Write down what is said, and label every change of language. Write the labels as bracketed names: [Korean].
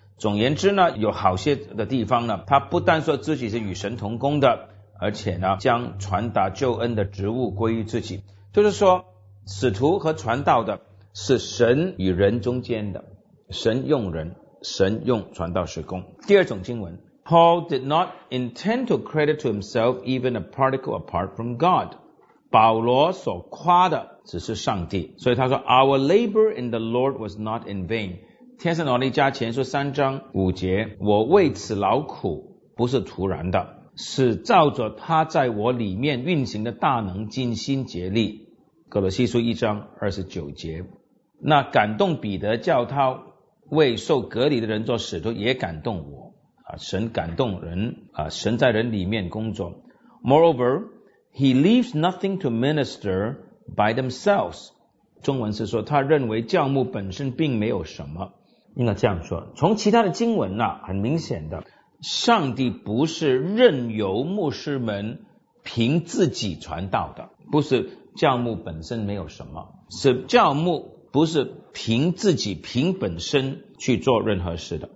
[Chinese] 总言之呢，有好些的地方呢，他不但说自己是与神同工的，而且呢将传达救恩的职务归于自己，就是说使徒和传道的是神与人中间的，神用人，神用传道事工。第二种经文， [English] Paul did not intend to credit to himself even a particle apart from God. [Chinese] 保罗所夸的只是上帝，所以他说 [English] Our labor in the Lord was not in vain. [Chinese] 天上的力加前书三章五节，我为此劳苦不是徒然的，是照着他在我里面运行的大能尽心竭力。哥罗西书一章29节。那感动彼得叫他为受隔离的人做使徒，也感动我啊，神感动人啊，神在人里面工作。 [English] Moreover, he leaves nothing to minister by themselves. [Chinese] 中文是说他认为教牧本身并没有什么，应该这样说。从其他的经文啊，很明显的，上帝不是任由牧师们凭自己传道的，不是教牧本身没有什么，是教牧不是凭自己凭本身去做任何事的。